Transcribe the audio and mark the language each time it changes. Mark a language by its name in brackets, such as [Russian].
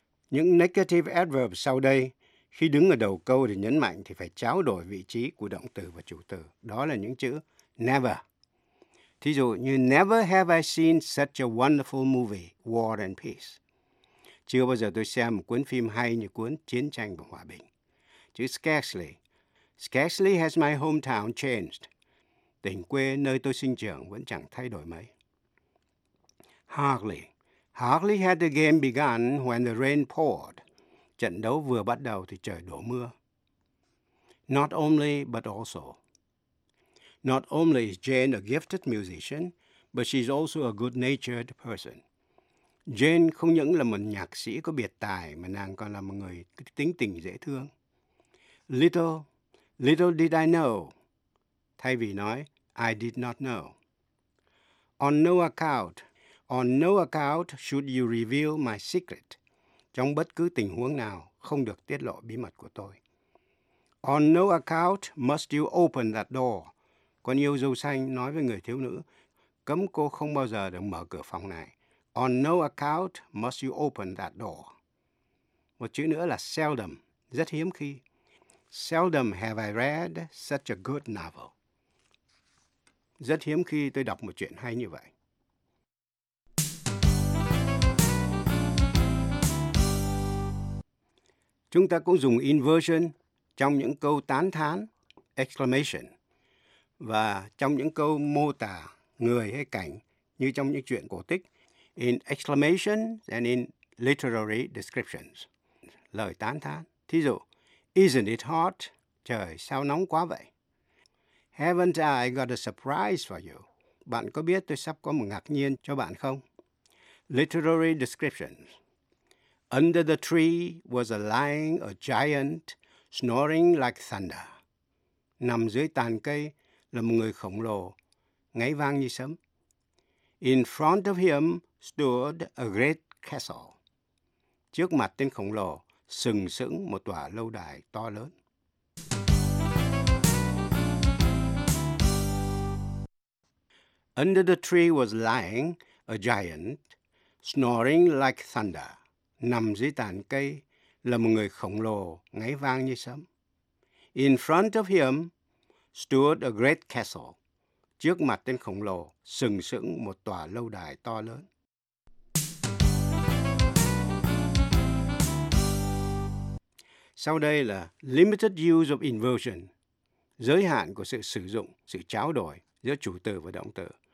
[Vietnamese] Những negative adverbs sau đây, khi đứng ở đầu câu để nhấn mạnh thì phải trao đổi vị trí của động từ và chủ từ. Đó là những chữ never. Thí dụ như [English] never have I seen such a wonderful movie, War and Peace. [Vietnamese] Chưa bao giờ tôi xem một cuốn phim hay như cuốn Chiến tranh và Hòa bình. Chữ scarcely. [English] Scarcely has my hometown changed. [Vietnamese] Tỉnh quê nơi tôi sinh trưởng vẫn chẳng thay đổi mấy. [English] Hardly. Hardly had the game begun when the rain poured. [Vietnamese] Trận đấu vừa bắt đầu thì trời đổ mưa. [English] Not only, but also. Not only is Jane a gifted musician, but she's also a good-natured person. [Vietnamese] Jane không những là một nhạc sĩ có biệt tài, mà nàng còn là một người tính tình dễ thương. [English] Little did I know. [Vietnamese] Thay vì nói, [English] I did not know. On no account should you reveal my secret. [Vietnamese] Trong bất cứ tình huống nào, không được tiết lộ bí mật của tôi. [English] On no account must you open that door. [Vietnamese] Con yêu dâu xanh nói với người thiếu nữ, cấm cô không bao giờ được mở cửa phòng này. [English] On no account must you open that door. [Vietnamese] Một chữ nữa là seldom, rất hiếm khi. [English] Seldom have I read such a good novel. [Vietnamese] Rất hiếm khi tôi đọc một chuyện hay như vậy. Chúng ta cũng dùng inversion trong những câu tán thán, exclamation. Và trong những câu mô tả người hay cảnh như trong những chuyện cổ tích, [English] in exclamation and in literary descriptions, [Vietnamese] lời tán thán. Thí dụ, [English] isn't it hot? [Vietnamese] Trời, sao nóng quá vậy? [English] Haven't I got a surprise for you? [Vietnamese] Bạn có biết tôi sắp có một ngạc nhiên cho bạn không? [English] Literary descriptions. Under the tree was a giant snoring like thunder. [Vietnamese] Nằm dưới tàn cây là một người khổng lồ, ngáy vang như sấm. [English] In front of him stood a great castle. [Vietnamese] Trước mặt tên khổng lồ, sừng sững một tòa lâu đài to lớn. [English] Under the tree was lying a giant, snoring like thunder. [Vietnamese] Nằm dưới tàn cây là một người khổng lồ, ngáy vang như sấm. [English] In front of him stood a great castle. [Vietnamese] Trước mặt tên khổng lồ, sừng sững một tòa lâu đài to lớn. Sau đây là [English] limited use of inversion, [Vietnamese] giới hạn của sự sử dụng, sự trao đổi giữa chủ từ và động từ.